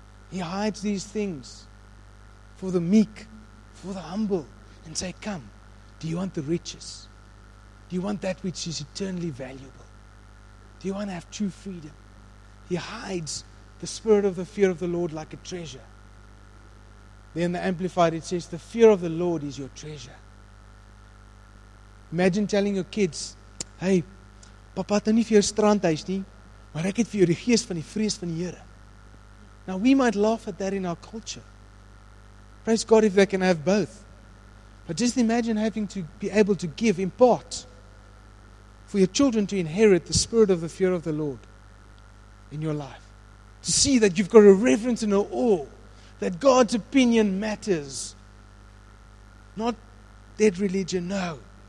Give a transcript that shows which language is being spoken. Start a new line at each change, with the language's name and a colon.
English: He hides these things for the meek, for the humble, and say, come, do you want the riches? Do you want that which is eternally valuable? Do you want to have true freedom? He hides the spirit of the fear of the Lord like a treasure. Then the Amplified, it says, the fear of the Lord is your treasure. Imagine telling your kids, hey,
Afrikaans: papa het nou nie vir jou strandhuis nie, maar ek het vir jou die gees van die vrees van die Here.
English: Now we might laugh at that in our culture. Praise God if they can have both. But just imagine having to be able to give, impart, for your children to inherit the spirit of the fear of the Lord in your life. To see that you've got a reverence and an awe, that God's opinion matters. Not dead religion? No.